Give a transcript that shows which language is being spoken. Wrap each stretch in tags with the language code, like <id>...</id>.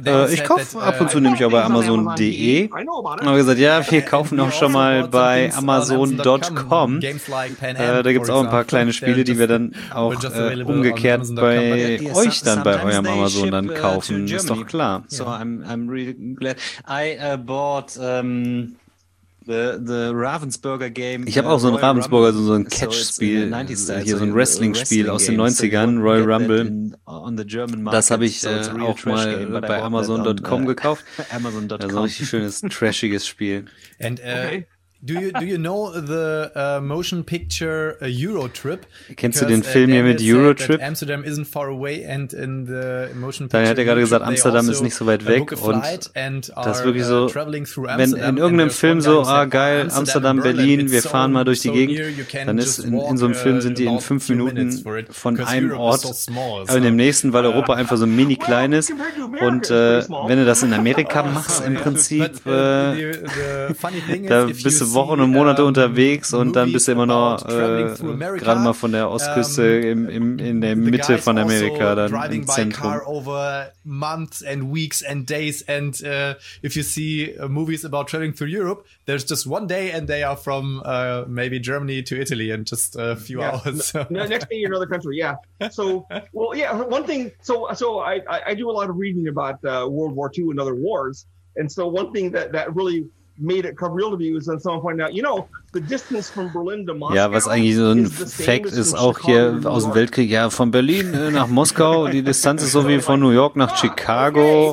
<de>Ich kaufe ab und zu nämlich auch bei Amazon.de. Aber gesagt, ja, wir kaufen auch schon mal bei Amazon.com. Da gibt es auch ein paar kleine Spiele, die wir dann auch umgekehrt bei euch dann bei eurem Amazon dann kaufen. Ist doch klar.</de> <en>So, I'm really glad. I bought the Ravensburger Game.</en> <de>Ich habe auch so ein Ravensburger, so ein Catch-Spiel, so ein Wrestling-Spiel aus den 90ern, Royal Rumble. Das habe ich auch mal bei Amazon.com gekauft. Amazon.com. So ein richtig schönes, trashiges Spiel.</de> <en>And do you know the motion picture Eurotrip?</en> <de>Kennst du den Film hier mit Eurotrip?</de> <en>Amsterdam isn't far away and in the motion picture.</en> <de>Daniel hat ja gerade gesagt, Amsterdam ist nicht so weit weg und das ist wirklich so, wenn in irgendeinem Film so, ah geil, Amsterdam, Berlin, wir fahren mal durch die Gegend, dann ist in so einem Film sind die in 5 Minuten von einem Ort in dem nächsten, weil Europa einfach so mini klein ist. Und wenn du das in Amerika machst im Prinzip, da bist du Wochen und Monate unterwegs und dann bist du immer noch gerade mal von der Ostküste in der Mitte von Amerika dann im Zentrum.</de> <en>Over months and weeks and days and if you see movies about traveling through Europe, there's just one day and they are from maybe Germany to Italy in just a few hours. Next thing you're another country, yeah. So, well, yeah, one thing, so I do a lot of reading about World War II and other wars, and so one thing that really made it come real to me was when someone pointed out, you know, the distance from Berlin to Moscow.</en> <de>Ja, was eigentlich so ein Fact ist auch hier aus dem Weltkrieg. Ja, von Berlin nach Moskau, die Distanz ist so wie von New York nach Chicago.</de>